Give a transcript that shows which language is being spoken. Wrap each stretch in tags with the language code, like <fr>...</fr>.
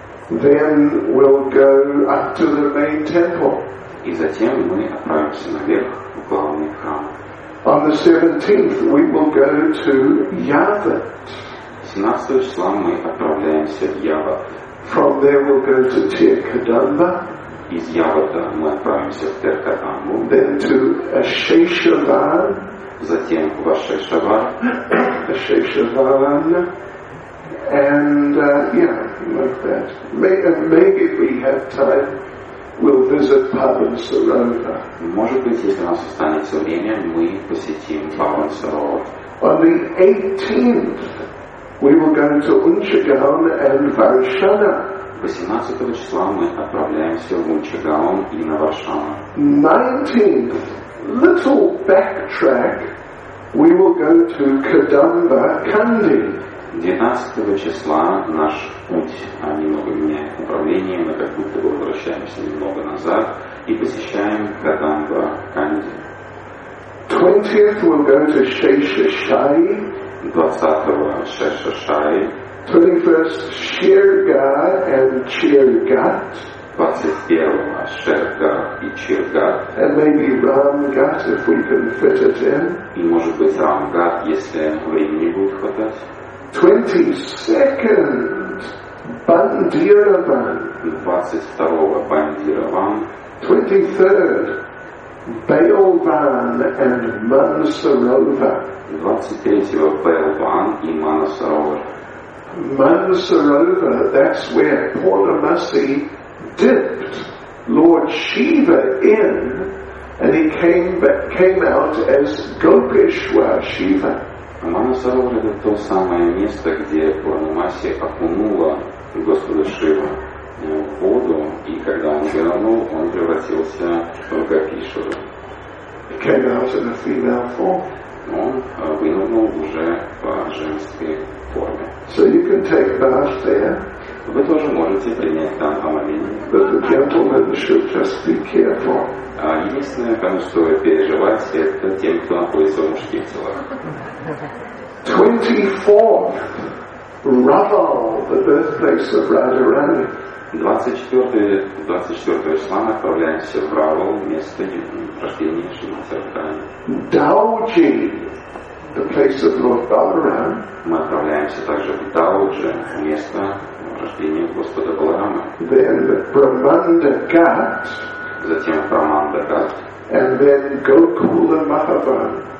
<en>And then we'll go up to the main temple.</en> <ru>И затем мы отправимся наверх в главный храм.</ru> <en>On the 17th we will go to Yavat.</en> <ru>17 числа мы отправляемся в Yavat.</ru> <en>From there we'll go to Tirkadamba.</en> <ru>Из Yavata мы отправимся в Тиркадамбу.</ru> <en>Then to Ашешаван.</en> <ru>Затем в Ашешаван.</ru> <en>Ашешаван. And yeah, like that. Maybe we have time. We'll visit Pavan Sarovar.</en> <ru>Может быть, если у нас останется время, мы посетим Pavan Sarovar.</ru> <en>On the 18th, we will go to Unchagaon and Varshana.</en> <ru>18 числа мы отправляемся в Унчагаон и на Варшану.</ru> <en>19th, little backtrack, we will go to Kadamba Kandy.</en> <ru>19 числа наш путь немного меняет направление, мы как будто бы возвращаемся немного назад и посещаем Кадамба Канди.</ru> <en>20th we'll go to Шейшашай.</en> <ru>20-го Шейшашай.</ru> <en>21st Ширгат and Чиргат.</en> <ru>21-го Ширгат и Чиргат.</ru> <en>And maybe Рамгат if we can fit it in.</en> <ru>И может быть Рамгат, если времени будет хватать.</ru> <en>22nd Bandhiravan. 22nd Bandhiravan. 23rd Bailvan and Mansarovar.</en> <ru>23rd Bailvan и Mansarovar.</ru> <en>Mansarovar, that's where Purnamasi dipped Lord Shiva in, and he came out as Gopeshwar Shiva.</en> <ru>Mansarovar это то самое место, где Пурнамаси окунула Господа Шива в воду, и когда он вернул, он превратился в Гопишвара.</ru> <en>He came out in a female form.</en> <ru>Он вынырнул уже в женской форме.</ru> <en>So you can take bath there.</en> <ru>Вы тоже можете принять там омовение.</ru> <en>But the gentleman should just be careful.</en> <ru>Единственное, кому стоит переживать, это тем, кто находится в мужских телах.</ru> <en>24th, Ravel, the birthplace of Radharani.</en> <ru>24 числа направляемся в Равал, место рождения Шимацаркани.</ru> <en>Дауджи, the place of Lord Balaram.</en> <ru>Мы отправляемся также в Дауджи, место рождения Господа Баларама.</ru> <en>Then Брамандагат.</en> <ru>Затем Брамандагат.</ru> <en>And then Гокула Махаван.</en>